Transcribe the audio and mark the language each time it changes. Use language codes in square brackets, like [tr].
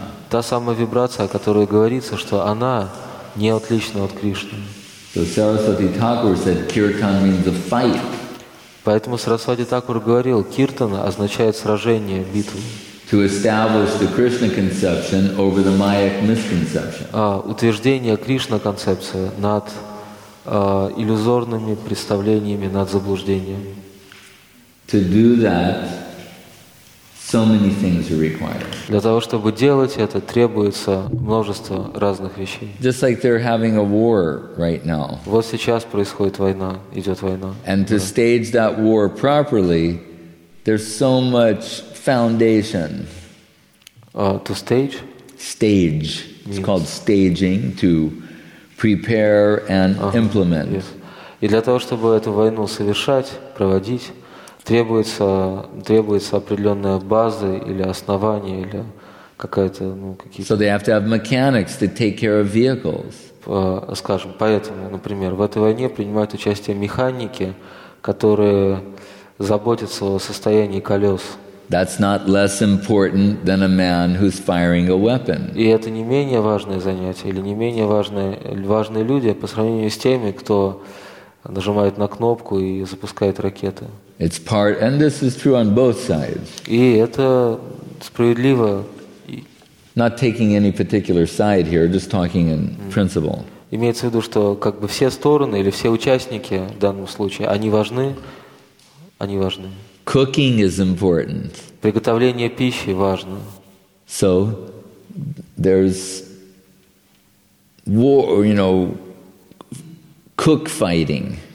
[ru] Та самая вибрация, о которой говорится, что она не отлична от Кришны. [en] So Saraswati Thakur said, "Kirtan means a fight." [ru] Поэтому Сарасвати Такур говорил, киртана означает сражение, битву. [en] To establish the Krishna conception over the mayic misconception. [ru] Утверждение Кришна концепции над иллюзорными представлениями, над заблуждением. [en] To do that, so many things are required. [ru] Для того, чтобы делать это, требуется множество разных вещей. [en] Just like they're having a war right now. [ru] Вот сейчас происходит война, идет война. [en] And to stage that war properly, there's so much foundation. To stage? Stage. Yes. It's called staging, to prepare and implement. Yes. [ru] И для того, чтобы эту войну совершать, проводить, требуется определенная база или основание или какая-то, ну, какие-то. [en] So they have to have mechanics to take care of vehicles. [ru] Скажем, поэтому, например, в этой войне принимают участие механики, которые заботятся о состоянии колес. [en] That's not less important than a man who's firing a weapon. [ru] И это не менее важное занятие или не менее важные люди по сравнению с теми, кто нажимает на кнопку и запускает ракеты. [en] It's part, and this is true on both sides. [ru] И это справедливо. [en] Not taking any particular side here, just talking in principle. [ru] Имеется в виду, что как бы все стороны или все участники в данном случае, они важны. [en] Cooking is important. [ru] Приготовление пищи важно. [en] So there's war, you know, cook fighting.